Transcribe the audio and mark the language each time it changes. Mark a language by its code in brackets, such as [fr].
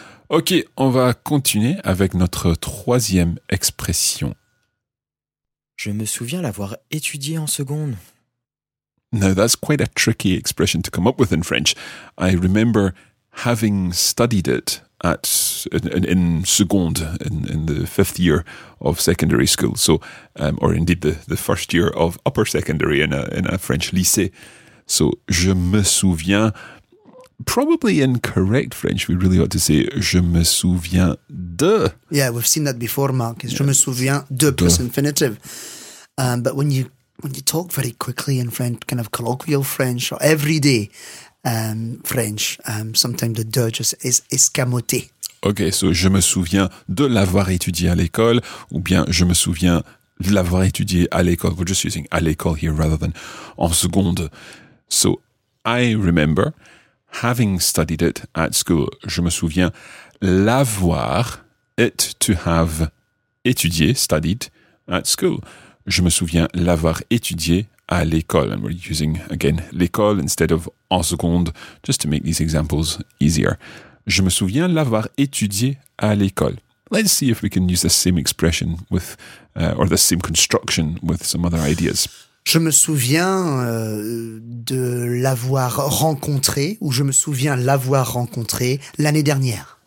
[fr] Ok, on va continuer avec notre troisième expression. Je me souviens l'avoir étudié en seconde. [en] Now that's quite a tricky expression to come up with in French. I remember having studied it at in seconde, in the fifth year of secondary school. So, or indeed the first year of upper secondary in a French lycée. So, je me souviens, probably in correct French, we really ought to say, [fr] je me souviens de. [en] Yeah, we've seen that before, Mark. It's yeah. Je me souviens de plus infinitive. But when you talk very quickly in French, kind of colloquial French or everyday French, sometimes the de just is escamoté. Okay, so [fr] je me souviens de l'avoir étudié à l'école, ou bien je me souviens de l'avoir étudié à l'école. [en] We're just using à l'école here rather than en seconde. So, I remember having studied it at school. [fr] Je me souviens l'avoir, [en] it to have étudié, studied at school. [fr] Je me souviens l'avoir étudié à l'école. [en] And we're using, again, l'école instead of en seconde, just to make these examples easier. [fr] Je me souviens l'avoir étudié à l'école. [en] Let's see if we can use the same expression with, or the same construction with some other ideas. [fr] Je me souviens de l'avoir rencontré, ou je me souviens l'avoir rencontré l'année dernière.